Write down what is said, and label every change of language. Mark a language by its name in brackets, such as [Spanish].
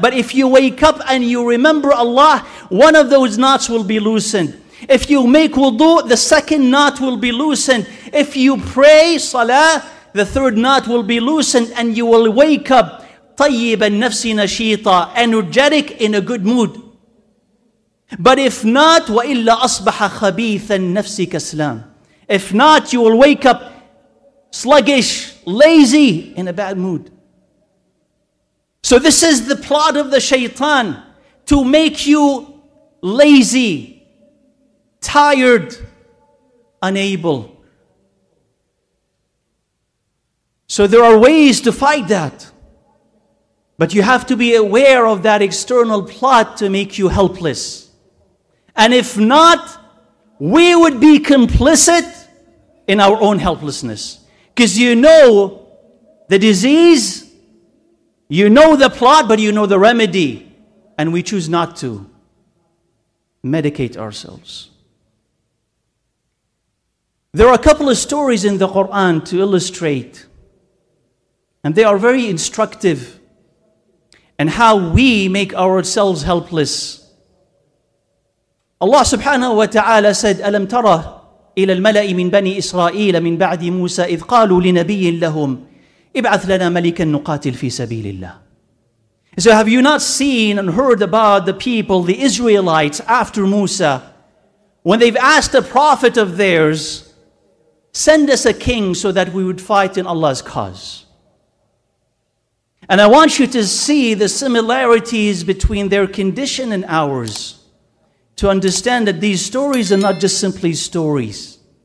[English] But if you wake up and you remember Allah, one of those knots will be loosened. If you make wudu, the second knot will be loosened. If you pray, salah, the third knot will be loosened and you will wake up [Arabic] طيب النفس نشيطا, [English] energetic, in a good mood. But if not, [Arabic] وَإِلَّا أَصْبَحَ خَبِيثًا نَفْسِكَ سْلَامًا. [English] If not, you will wake up sluggish, lazy, in a bad mood. So this is the plot of the shaitan, to make you lazy, tired, unable. So there are ways to fight that. But you have to be aware of that external plot to make you helpless. And if not, we would be complicit in our own helplessness. Because you know the disease, you know the plot, but you know the remedy. And we choose not to medicate ourselves. There are a couple of stories in the Quran to illustrate, and they are very instructive in how we make ourselves helpless. [Arabic] Allah subhanahu wa ta'ala said, أَلَمْ تَرَ إِلَى الْمَلَإِ مِنْ بَنِي إِسْرَائِيلَ مِنْ بَعْدِ مُوسَى إِذْ قَالُوا لِنَبِيٍّ لَهُمْ إِبْعَثْ لَنَا مَلِكًا نُقَاتِلْ فِي سَبِيلِ اللَّهِ. [English] So have you not seen and heard about the people, the Israelites, after Musa, when they've asked a prophet of theirs, send us a king so that we would fight in Allah's cause. And I want you to see the similarities between their condition and ours, to understand that these stories are not just simply stories.